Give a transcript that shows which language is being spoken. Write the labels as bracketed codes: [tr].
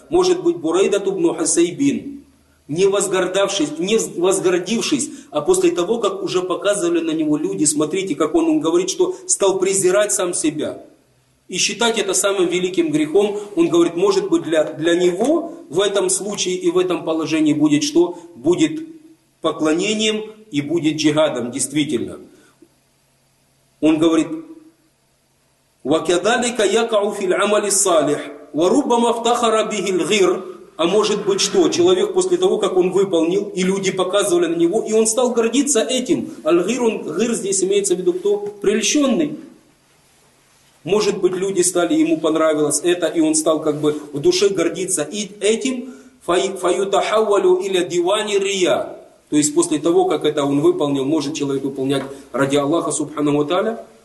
[ru] Может быть, Бурайдат ибн Хусейбин, не возгордившись, а после того, как уже показывали на него люди, смотрите, как он говорит, что стал презирать сам себя. И считать это самым великим грехом, он говорит, может быть, для него в этом случае и в этом положении будет что? Будет поклонением и будет джихадом, действительно. Он говорит, [ar] وَكَذَلِكَ يَكَعُ فِي الْعَمَلِ الصَّالِحِ وَرُبَّمَ افْتَخَرَ بِهِ الْغِيرُ. [ru] А может быть, что? Человек после того, как он выполнил, и люди показывали на него, и он стал гордиться этим. Аль-гир, он, гир здесь имеется в виду кто? Прельщенный. Может быть, люди стали, ему понравилось это, и он стал как бы в душе гордиться и этим. [ar] Фаютахавалю или дивани рия. [ru] То есть, после того, как это он выполнил, может человек выполнять ради Аллаха, субханаху тааля.